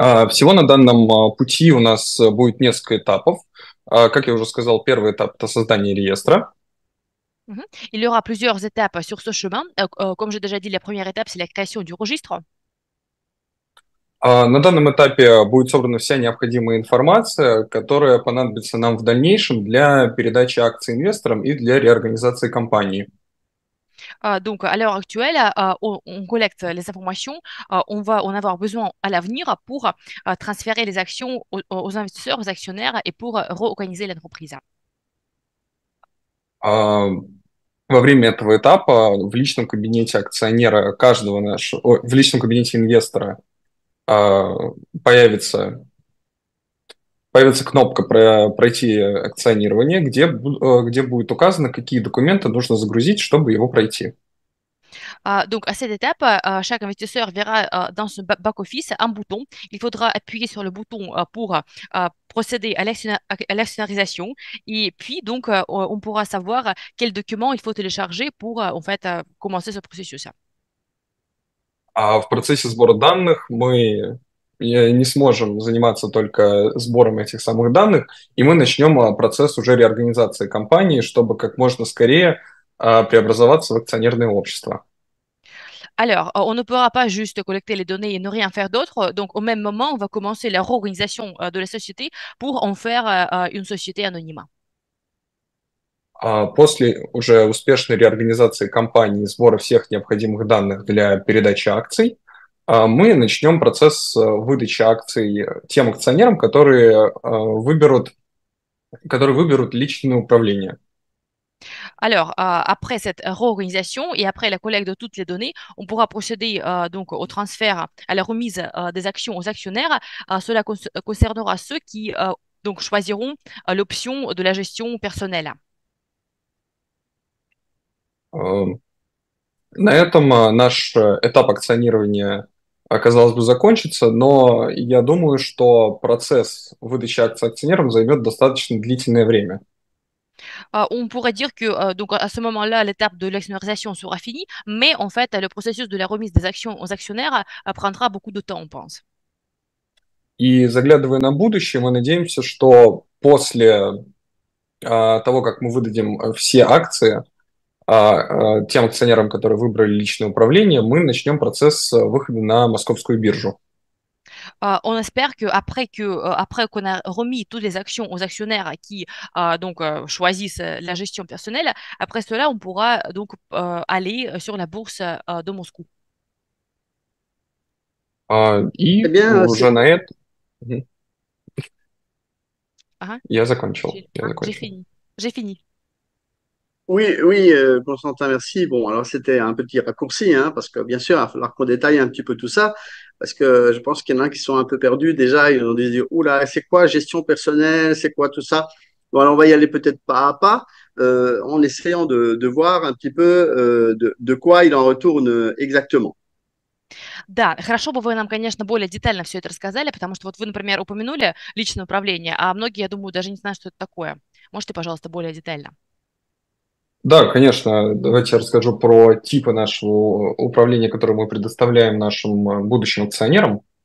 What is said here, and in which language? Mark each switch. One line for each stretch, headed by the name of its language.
Russian: Всего на данном пути у нас будет несколько этапов. Как я уже сказал, первый этап – это создание реестра.
French: Il y aura plusieurs étapes sur ce chemin. Comme j'ai déjà dit, la première étape, c'est la création du registre.
Russian: На данном этапе будет собрана вся необходимая информация, которая понадобится нам в дальнейшем для передачи акций инвесторам и для реорганизации компании.
French: Donc, à l'heure actuelle, on collecte les informations. On va en avoir besoin à l'avenir pour transférer les actions aux investisseurs, aux actionnaires et pour réorganiser l'entreprise.
Russian: Во время этого этапа в личном кабинете акционера каждого нашего, в личном кабинете инвестора появится кнопка пройти акционирование, где будет указано, какие документы нужно загрузить, чтобы его пройти.
French: Donc, à cette étape, chaque investisseur verra dans son back-office un bouton. Il faudra appuyer sur le bouton pour procéder à l'actionnarisation. Et puis, donc, on pourra savoir quels documents il faut télécharger pour, en fait, commencer ce processus.
Russian: А в процессе сбора данных мы не сможем заниматься только сбором этих самых данных, и мы начнем процесс уже реорганизации компании, чтобы как можно скорее преобразоваться в акционерное общество.
French: Alors, on ne pourra pas juste collecter les données et ne rien faire d'autre. Donc, au même moment, on va commencer la réorganisation de la société pour en faire une société anonyme.
Russian: После уже успешной реорганизации компании, сбора всех необходимых данных для передачи акций, мы начнем процесс выдачи акций тем акционерам, которые выберут личное управление.
French: Alors, après cette réorganisation et après la collecte de toutes les données, on pourra procéder donc au transfert, à la remise des actions aux actionnaires. Cela concernera ceux qui donc choisiront l'option de la gestion personnelle.
Russian: На этом наш этап акционирования, казалось бы, закончится, но я думаю, что процесс выдачи акций акционерам займет достаточно длительное время.
French: On pourrait dire que donc à ce moment-là, l'étape de l'actionnarisation sera finie, mais en fait, le processus de la remise des actions aux actionnaires prendra beaucoup de temps, on pense.
Russian: И заглядывая на будущее, мы надеемся, что после того, как мы выдадим все акции, тем акционерам, которые выбрали личное управление, мы начнем процесс выхода на московскую биржу.
French: On espère que après qu'on a remis toutes les actions aux actionnaires qui donc choisissent la gestion personnelle, après cela, on pourra donc aller sur la bourse de Moscou.
Russian: И
French: Eh bien,
Russian: уже на это... Я закончил. Я
French: J'ai
Russian: закончил.
French: fini. J'ai fini. Oui, Constantin, merci. Bon, alors c'était un petit raccourci, hein, parce que bien sûr, il va falloir qu'on détaille un petit peu tout ça. Parce que je pense qu'il y en a qui sont un peu perdus. Déjà, ils ont dit, oula, c'est quoi gestion personnelle, c'est quoi tout ça? Bon, alors on va y aller peut-être pas à pas, en essayant de voir un petit peu de quoi il en retourne exactement.
Russian: Да, хорошо бы вы нам, конечно, более детально все это рассказали, потому что вот вы, например, упомянули личное управление, а многие, я думаю, даже не знают, что это такое. Можете, пожалуйста, более детально? Да, конечно, давайте я расскажу про типы нашего управления, которые мы предоставляем нашим будущим акционерам.